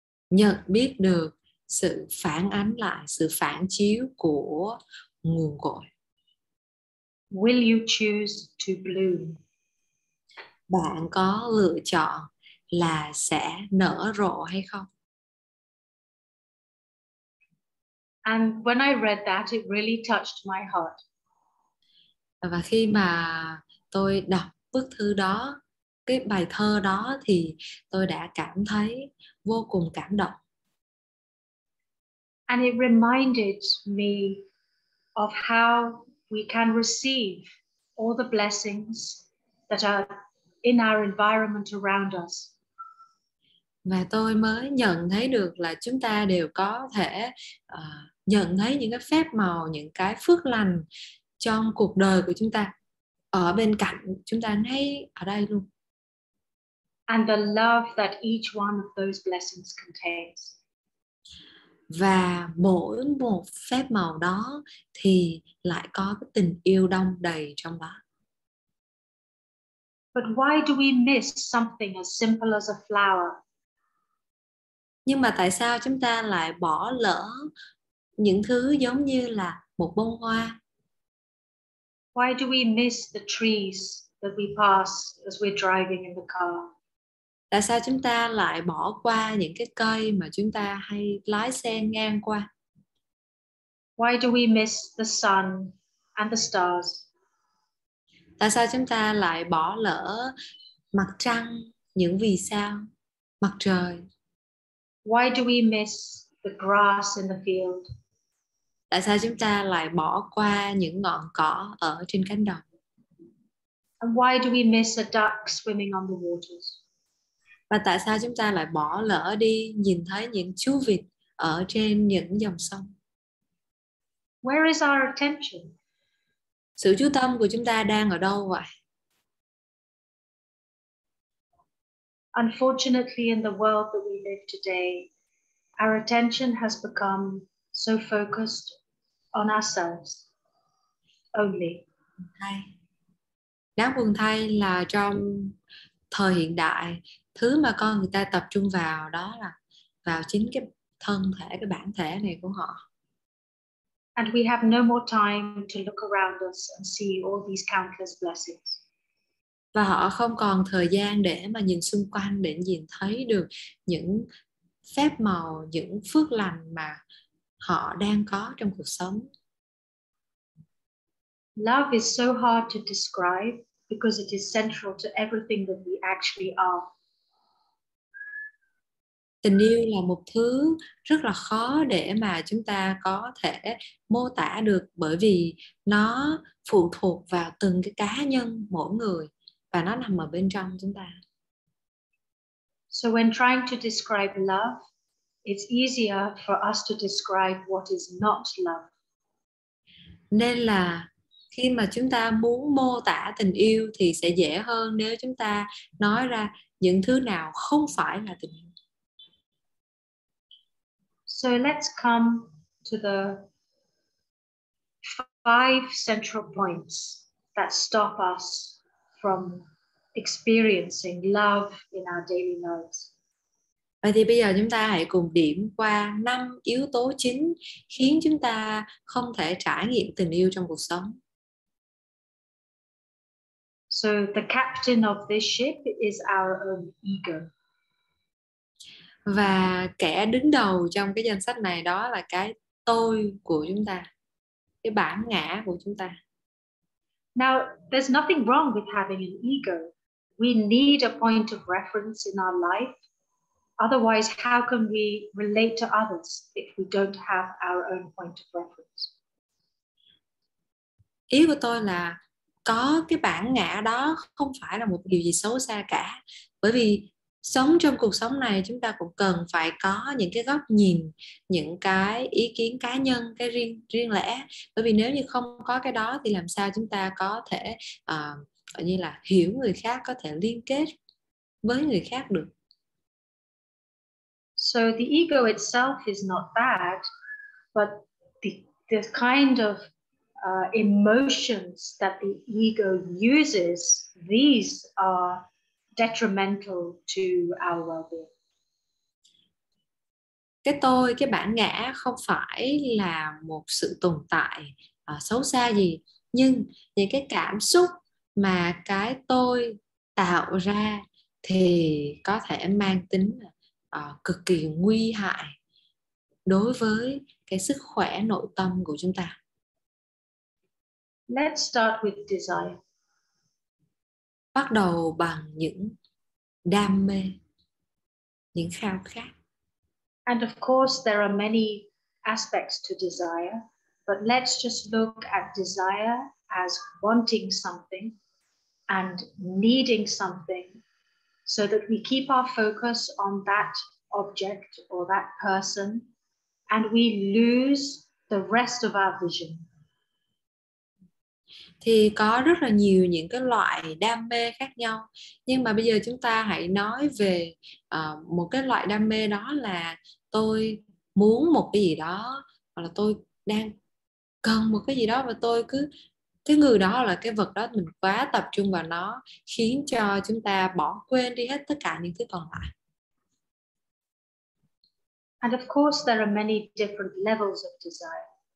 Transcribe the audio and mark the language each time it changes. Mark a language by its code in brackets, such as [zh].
[vi] Nhận biết được sự phản ánh lại, sự phản chiếu của nguồn cội. [en] Will you choose to bloom? [vi] Bạn có lựa chọn là sẽ nở rộ hay không? [en] And when I read that, it really touched my heart. [vi] Và khi mà tôi đọc bức thư đó, cái bài thơ đó, thì tôi đã cảm thấy vô cùng cảm động. [en] And it reminded me of how we can receive all the blessings that are in our environment around us. [vi] Và tôi mới nhận thấy được là chúng ta đều có thể nhận thấy những cái phép màu, những cái phước lành trong cuộc đời của chúng ta ở bên cạnh chúng ta ngay ở đây luôn. [en] And the love that each one of those blessings contains. [vi] Và mỗi một phép màu đó thì lại có cái tình yêu đong đầy trong đó. [en] But why do we miss something as simple as a flower? [vi] Nhưng mà tại sao chúng ta lại bỏ lỡ những thứ giống như là một bông hoa? [en] Why do we miss the trees that we pass as we're driving in the car? [vi] Tại sao chúng ta lại bỏ qua những cái cây mà chúng ta hay lái xe ngang qua? [en] Why do we miss the sun and the stars? [vi] Tại sao chúng ta lại bỏ lỡ mặt trăng, những vì sao, mặt trời? [en] Why do we miss the grass in the field? [vi] Tại sao chúng ta lại bỏ qua những ngọn cỏ ở trên cánh đồng? [en] And why do we miss a duck swimming on the waters? [vi] Và tại sao chúng ta lại bỏ lỡ đi nhìn thấy những chú vịt ở trên những dòng sông? [en] Where is our attention? [vi] Sự chú tâm của chúng ta đang ở đâu vậy? [en] Unfortunately, in the world that we live today, our attention has become so focused on ourselves only. [vi] Đáng buồn thay là trong thời hiện đại, thứ mà con người ta tập trung vào đó là vào chính cái thân thể, cái bản thể này của họ. [en] And we have no more time to look around us and see all these countless blessings. [vi] Và họ không còn thời gian để mà nhìn xung quanh, để nhìn thấy được những phép màu những phước lành mà họ đang có trong cuộc sống. [en] Love is so hard to describe because it is central to everything that we actually are. [vi] Tình yêu là một thứ rất là khó để mà chúng ta có thể mô tả được bởi vì nó phụ thuộc vào từng cái cá nhân mỗi người và nó nằm ở bên trong chúng ta. [en] So when trying to describe love, it's easier for us to describe what is not love. [vi] Nên là khi mà chúng ta muốn mô tả tình yêu thì sẽ dễ hơn nếu chúng ta nói ra những thứ nào không phải là tình yêu. [en] So let's come to the five central points that stop us from experiencing love in our daily lives. [vi] Vậy thì bây giờ chúng ta hãy cùng điểm qua năm yếu tố chính khiến chúng ta không thể trải nghiệm tình yêu trong cuộc sống. [en] So the captain of this ship is our own ego. [vi] Và kẻ đứng đầu trong cái danh sách này đó là cái tôi của chúng ta, cái bản ngã của chúng ta. [en] Now, there's nothing wrong with having an ego. We need a point of reference in our life. Otherwise, how can we relate to others if we don't have our own point of reference? [vi] Ý của tôi là có cái bản ngã đó không phải là một điều gì xấu xa cả, bởi vì sống trong cuộc sống này chúng ta cũng cần phải có những cái góc nhìn, những cái ý kiến cá nhân, cái riêng lẻ. Bởi vì nếu như không có cái đó thì làm sao chúng ta có thể gọi như là hiểu người khác, có thể liên kết với người khác được. [en] So the ego itself is not bad, but the kind of emotions that the ego uses, these are detrimental to our well-being. [vi] Cái tôi, cái bản ngã không phải là một sự tồn tại xấu xa gì, nhưng những cái cảm xúc mà cái tôi tạo ra thì có thể mang tính cực kỳ nguy hại đối với cái sức khỏe nội tâm của chúng ta. [en] Let's start with desire. [vi] Bắt đầu bằng những đam mê, những khao khát. [en] And of course there are many aspects to desire, but let's just look at desire as wanting something and needing something so that we keep our focus on that object or that person and we lose the rest of our vision. [vi] Thì có rất là nhiều những cái loại đam mê khác nhau. Nhưng mà bây giờ chúng ta hãy nói về một cái loại đam mê đó là tôi muốn một cái gì đó, hoặc là tôi đang cần một cái gì đó, và tôi cứ cái người đó là cái vật đó, mình quá tập trung vào nó khiến cho chúng ta bỏ quên đi hết tất cả những thứ còn lại. [en] And of course there are many different levels of desire.